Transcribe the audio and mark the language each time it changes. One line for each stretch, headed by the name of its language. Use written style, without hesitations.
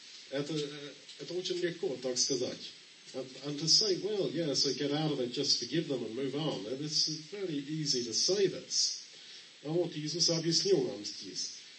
Russian: Это очень легко так сказать.
English: And to say, well, yeah, so get out of it, just forgive them and move on. And it's very easy to say this.
Russian: А вот Иисус объяснил нам здесь.